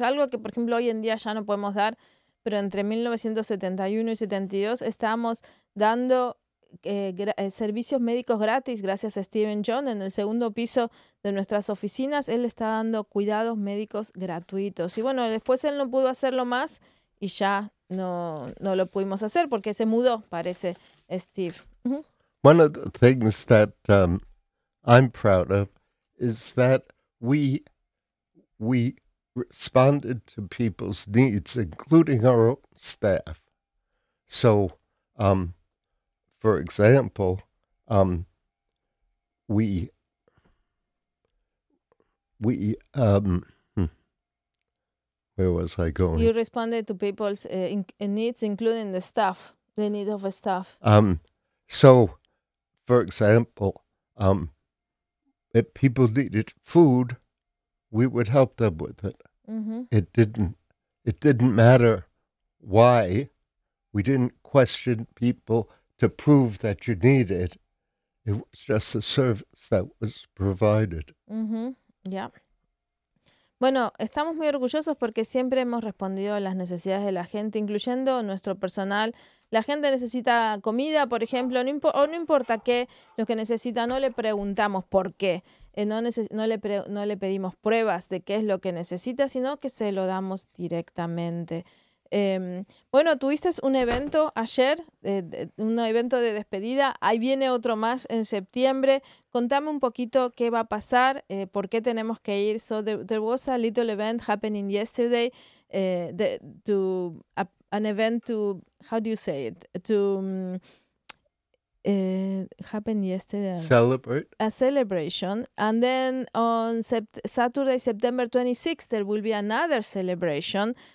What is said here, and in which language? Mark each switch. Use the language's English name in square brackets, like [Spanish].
[Spanish] Algo que, por ejemplo, hoy en día ya no podemos dar, pero entre 1971 y 72 estábamos dando servicios médicos gratis gracias a Steven John en el segundo piso de nuestras oficinas. Él está dando cuidados médicos gratuitos. Y bueno, después él no pudo hacerlo más y ya no lo pudimos hacer porque se mudó, parece, Steve. Mm-hmm. [English] One of the things that I'm proud of is that we responded to people's needs, including our own staff. So, for example, where was I going? You responded to people's needs, including the staff, the need of a staff. So, for example, if people needed food, we would help them with it. Mm-hmm. It didn't matter why. We didn't question people to prove that you need it. It was just a service that was provided. Mm-hmm. Yeah. [Spanish] Bueno, estamos muy orgullosos porque siempre hemos respondido a las necesidades de la gente, incluyendo nuestro personal. La gente necesita comida, por ejemplo, no importa qué, lo que necesita, no le preguntamos por qué. No le pedimos pruebas de qué es lo que necesita, sino que se lo damos directamente. Bueno, tuviste un evento ayer, un evento de despedida. Ahí viene otro más en septiembre. Contame un poquito qué va a pasar, por qué tenemos que ir. [English] So there was a little event happening yesterday, an event to, how do you say it? Happened yesterday. Celebrate. A celebration. And then on Saturday, September 26th, there will be another celebration.